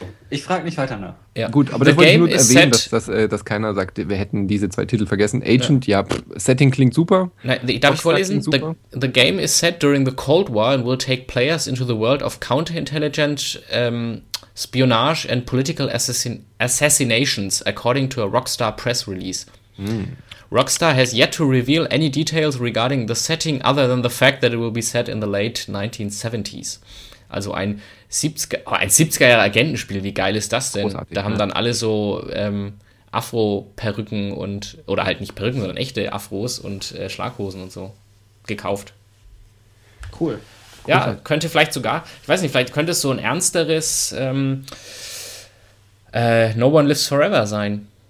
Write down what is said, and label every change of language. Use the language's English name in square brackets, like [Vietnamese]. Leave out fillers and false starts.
[German] Ich frage nicht weiter nach. Ja. Gut, aber das wollte ich nur erwähnen, dass keiner sagt, wir hätten diese zwei Titel vergessen. Agent, Setting klingt super. Nein, darf ich vorlesen? [English] The game is set during the Cold War and will take players into the world of counterintelligence, Spionage and political assassinations, according to a Rockstar press release. Mm. Rockstar has yet to reveal any details regarding the setting other than the fact that it will be set in the late 1970s. [German] Also ein 70er-Jahre Agentenspiel, wie geil ist das denn? Großartig, da haben dann alle so Afro-Perücken und, oder halt nicht Perücken, sondern echte Afros und Schlaghosen und so gekauft. Cool. Ja, könnte vielleicht sogar, ich weiß nicht, vielleicht könnte es so ein ernsteres No One Lives Forever sein.